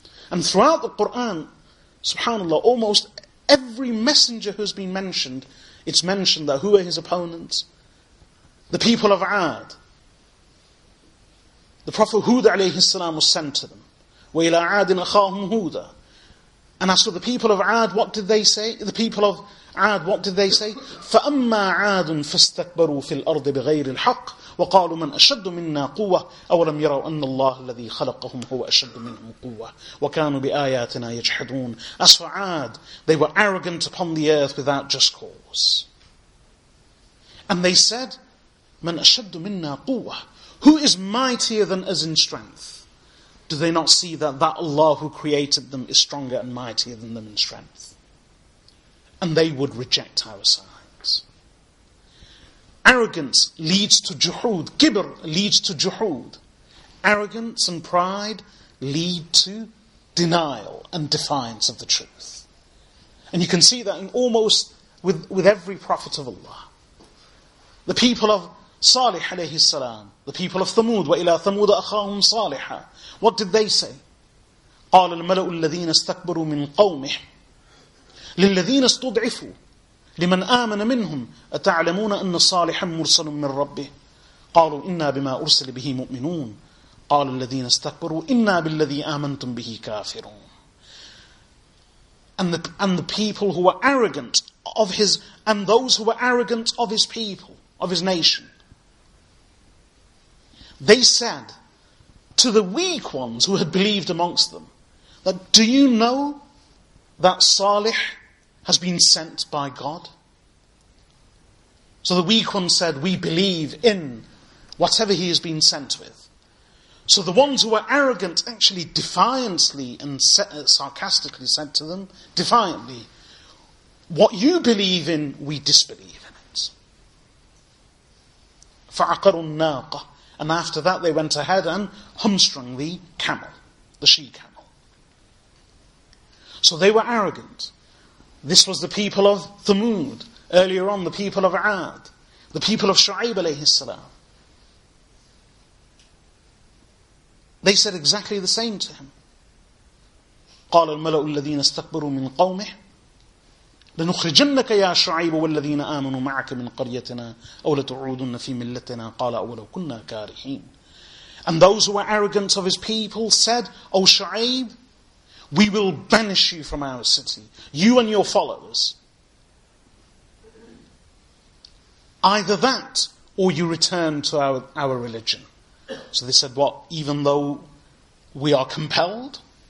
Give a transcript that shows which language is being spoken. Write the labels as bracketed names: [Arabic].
[English] And throughout the Quran, subhanAllah, almost every messenger who has been mentioned, it's mentioned that who are his opponents? The people of Ad. The Prophet Hud alayhi salam was sent to them. [Arabic] وَإِلَىٰ عَادٍ أَخَاهُمْ هُودًا [English] And as for the people of Ad, what did they say? The people of Ad, what did they say? [Arabic] فَأَمَّا عَادٌ فَاسْتَكْبَرُوا فِي الْأَرْضِ بِغَيْرِ الْحَقِّ وَقَالُوا مَنْ أَشَدُّ مِنَّا قُوَّةٌ أَوَلَمْ يَرَوْا أَنَّ اللَّهَ الَّذِي خَلَقَهُمْ هُوَ أَشَدُّ مِنْهُمْ قُوَّةٌ وَكَانُوا بِآيَاتِنَا يَجْحَدُونَ [English] As for Ad, they were arrogant upon the earth without just cause. And they said, [Arabic] مَنْ أَشَدُّ مِنَّا قُوَّةٌ [English] Who is mightier than us in strength? Do they not see that Allah who created them is stronger and mightier than them in strength? And they would reject our signs. Arrogance leads to juhud. Kibr leads to juhud. Arrogance and pride lead to denial and defiance of the truth. And you can see that in almost with every prophet of Allah. The people of Salih alayhi salam, the people of Thamud, [Arabic] وَإِلَىٰ ثَمُودَ أَخَاهُمْ صَالِحًا [English] What did they say? [Arabic] قَالَ الْمَلَأُ الَّذِينَ اسْتَكْبَرُوا مِنْ قَوْمِهِ لِلَّذِينَ اسْتُضْعِفُوا لِمَنْ آمَنَ مِنْهُمْ أَتَعْلَمُونَ أَنَّ صَالِحًا مُرْسَلٌ مِنْ رَبِّهِ قالوا إنا بما أرسل به مؤمنون قال الذين استكبروا إنا بالذي آمنتم به كافرون. [English] And the people who were arrogant of his, and those who were arrogant of his people, of his nation, they said to the weak ones who had believed amongst them, that do you know that Salih has been sent by God? So the weak ones said, we believe in whatever he has been sent with. So the ones who were arrogant actually defiantly and sarcastically said to them, defiantly, what you believe in, we disbelieve in it. [Arabic] فَعَقَرُوا النَّاقَ. [English] And after that they went ahead and humstrung the camel, the she-camel. So they were arrogant. This was the people of Thamud. Earlier on, the people of Aad, the people of Shu'aib alayhi salam. They said exactly the same to him. [Arabic] قال الملأ الذين استكبروا من قومه لنخرجنك يا شعيب والذين آمنوا معك من قريتنا أو لتعودن في ملتنا قال أولو كنا كارهين. [English] And those who were arrogant of his people said, O Shu'aib, we will banish you from our city, you and your followers. Either that, or you return to our religion. So they said, what, even though we are compelled?